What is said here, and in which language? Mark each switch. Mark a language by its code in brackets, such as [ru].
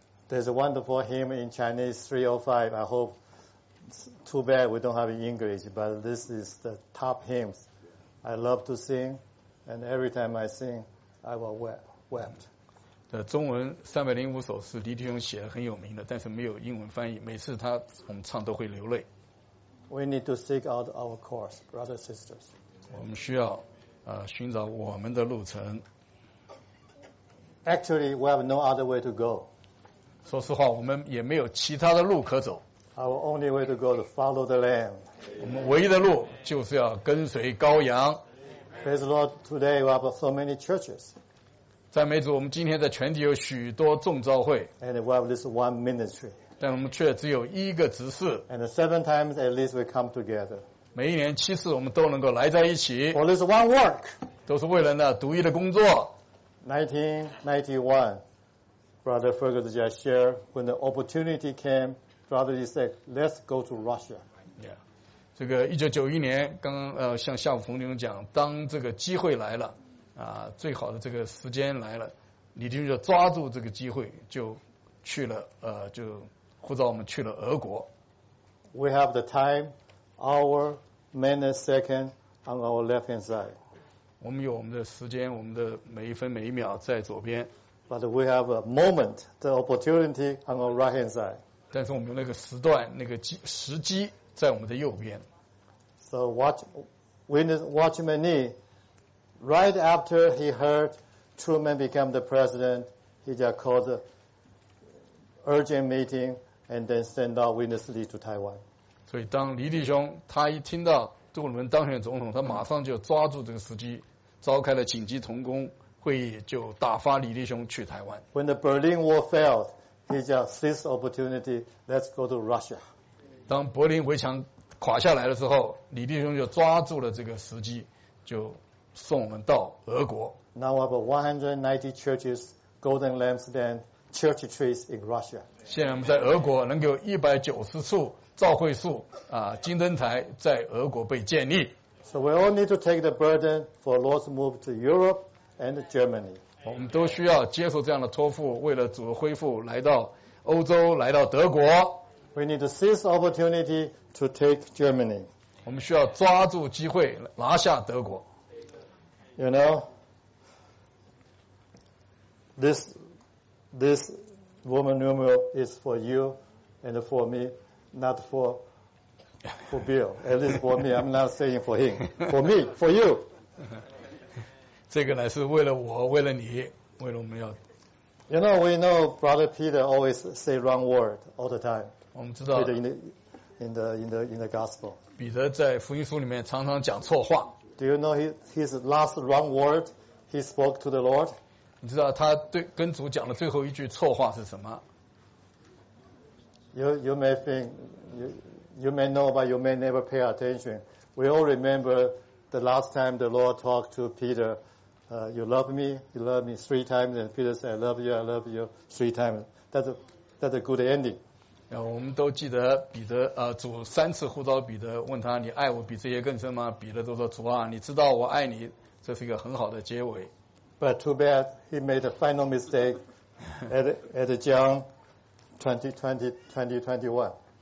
[en] There's a wonderful hymn in Chinese 305. I hope too bad we don't have English, but this is the top hymns. I love to sing, and every time I sing, I will wept. [zh] 中文305首是李弟兄写的很有名的，但是没有英文翻译。每次他我们唱都会流泪。 [en] We need to seek out our course, brothers and sisters. [zh] 我们需要寻找我们的路程。 [en] Actually, we have no other way to go. [zh] 说实话，我们也没有其他的路可走。 [en] Our only way to go is follow the Lamb. [zh] 我们唯一的路就是要跟随羔羊。 [en] Praise the Lord, today we have so many churches. [zh] 赞美主，我们今天在全体有许多众召会。 [en] And we have this one ministry. [zh] 但我们却只有一个执事。 [en] And seven times at least we come together. [zh] 每一年七次我们都能够来在一起。 [en] For this one work. [zh] 都是为了那独一的工作。 [en] 1991, Brother Ferguson just shared, when the opportunity came, Brother Lee said, let's go to Russia. Yeah. [zh] 这个1991年刚刚像夏普冯弟兄讲，当这个机会来了啊，最好的这个时间来了，李弟兄就抓住这个机会就去了就护照我们去了俄国。 [en] We have the time, hour, minute, second on our left hand side. [zh] 我们有我们的时间，我们的每一分每一秒在左边。 [en] But we have a moment, the opportunity on our right hand side. [zh] 但是我们有那个时段，那个时机在我们的右边。 [en] So watchman Nee, right after he heard Truman became the president, he just called an urgent meeting. And then send out Witness Lee to Taiwan. [zh] 所以当李弟兄他一听到杜鲁门当选总统，他马上就抓住这个时机，召开了紧急同工会议，就打发李弟兄去台湾。 [en] When the Berlin Wall fell, he just seized opportunity. Let's go to Russia. [zh] 当柏林围墙垮下来了之后，李弟兄就抓住了这个时机，就送我们到俄国。 [en] Now we have 190 churches, golden lampstand. Church trees in Russia. [zh] 现在我们在俄国能够190处教会树啊，金灯台在俄国被建立。 [en] So we all need to take the burden for Lord's move to Europe and Germany. [zh] 我们都需要接受这样的托付，为了主的恢复来到欧洲，来到德国。 [en] We need to seize opportunity to take Germany. [zh] 我们需要抓住机会拿下德国。 [en] You know, This Roman numeral is for you and for me, not for Bill. At least for me, I'm not saying for him. For me, for you. [zh] 这个呢是为了我，为了你，为了我们要。 [en] You know, we know Brother Peter always say wrong word all the time. [zh] 我们知道。 [en] Peter in the gospel. [zh] 彼得在福音书里面常常讲错话。 [en] Do you know his last wrong word he spoke to the Lord? [zh] 你知道他对跟主讲的最后一句错话是什么？ [en] You may know, but you may never pay attention. We all remember the last time the Lord talked to Peter. You love me three times, and Peter said, I love you three times. That's a good ending. [zh] 我们都记得彼得主三次呼召彼得，问他你爱我比这些更深吗？彼得都说主啊，你知道我爱你，这是一个很好的结尾。 [en] But too bad he made a final mistake at John 2020-2021.